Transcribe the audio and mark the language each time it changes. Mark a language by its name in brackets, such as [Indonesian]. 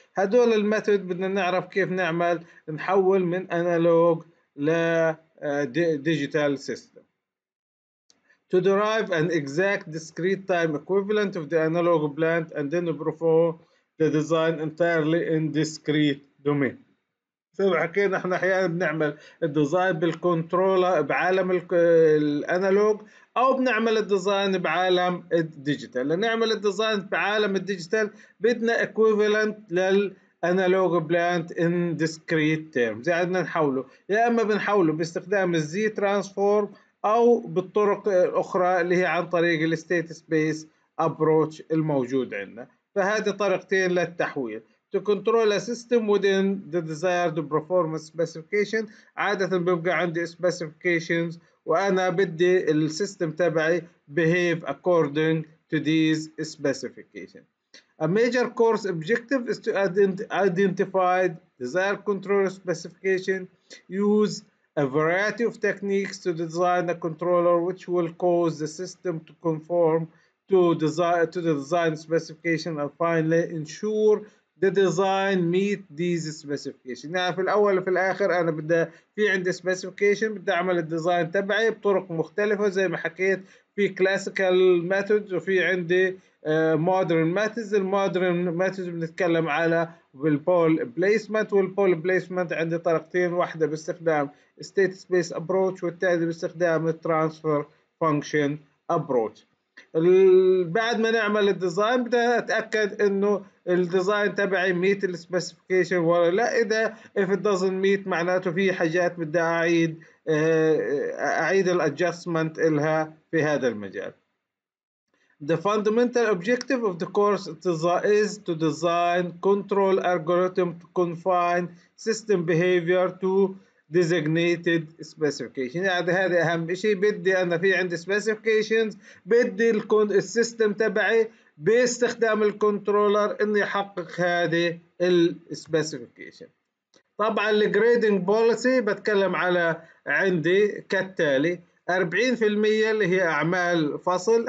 [Arabic] هذول الميثود بدنا نعرف كيف نعمل نحول من انالوج ل ديجيتال سيستم. [English] To derive an exact discrete time equivalent of the analog plant and then perform the design entirely in discrete domain. [Arabic] مثل ما حكينا احنا احيانا بنعمل الديزاين بالكنترولر بعالم الانالوج، او بنعمل الديزاين بعالم الديجيتال. لنعمل الديزاين بعالم الديجيتال بدنا [English] equivalent للانالوج plant in discrete terms, [Arabic] يعني بدنا نحوله يا اما بنحوله باستخدام الزي ترانسفورم او بالطرق الاخرى اللي هي عن طريق الستيت سبيس ابروتش الموجود عندنا. فهذه طريقتين للتحويل. [English] To control a system within the desired performance specification. [Arabic] عادة بيبقى عندي specifications وأنا بدي السيستم تبعي [English] behave according to these specifications. A major course objective is to identify desired control specification. Use a variety of techniques to design a controller which will cause the system to conform to the design specification, and finally ensure the design meet these specifications. [Arabic] يعني في الأول وفي الآخر أنا بدي في عندي specification، بدي أعمل الديزاين تبعي بطرق مختلفة زي ما حكيت. في classical methods وفي عندي modern methods. ال modern methods بنتكلم على البول placement، والبول placement عندي طريقتين، واحدة باستخدام state space approach والتانية باستخدام transfer function approach. بعد ما نعمل الديزاين بدي اتاكد انه الديزاين تبعي ميت السبيسيفيكيشن ولا لا. اذا [English] if it doesn't meet [Arabic] معناته في حاجات بدي اعيد الادجستمنت لها في هذا المجال. [English] The fundamental objective of the course is to design control algorithm to confine system behavior to designated specification. [Arabic] يعني هذا اهم شيء، بدي انا في عندي specifications، بدي السيستم تبعي باستخدام الكنترولر انه يحقق هذه ال specification. طبعا ال grading policy بتكلم على عندي كالتالي: 40% اللي هي اعمال فصل.